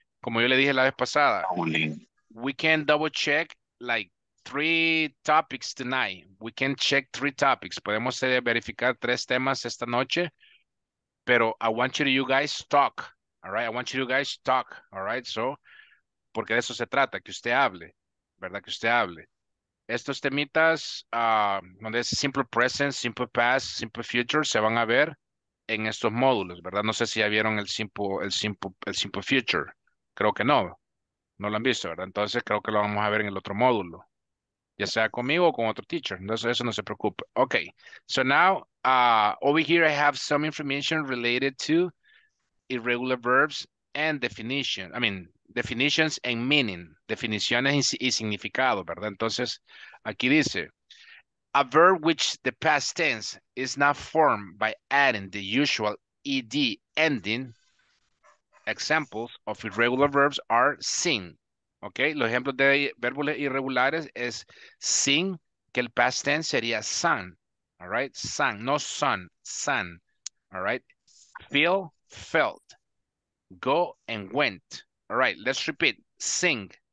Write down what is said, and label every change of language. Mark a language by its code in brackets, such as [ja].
[es] como yo le dije la vez pasada, [en] we can double check like three topics tonight. We can check three topics. [es] Podemos verificar tres temas esta noche. [en] Pero I want you to, you guys talk. All right. I want you to, you guys talk. All right. [es] So, porque de eso se trata, que usted hable, ¿verdad? Que usted hable. Estos temitas, donde es simple present, simple past, simple future, se van a ver en estos módulos, ¿verdad? No sé si ya vieron el simple future. Creo que no. No lo han visto, ¿verdad? Entonces creo que lo vamos a ver en el otro módulo. Ya sea conmigo o con otro teacher. Entonces eso no se preocupe. [en] Okay. So now, over here I have some information related to irregular verbs and definition. I mean, definitions and meaning. [es] Definiciones y significado, ¿verdad? Entonces, aquí dice, [en] a verb which the past tense is not formed by adding the usual ed ending. Examples of irregular verbs are seen. [es] Okay, los ejemplos de verbos irregulares es seen, que el past tense sería sun. [en] All right, sun, no sun, sun. All right, feel, felt, go, and went. All right, let's repeat. Sing.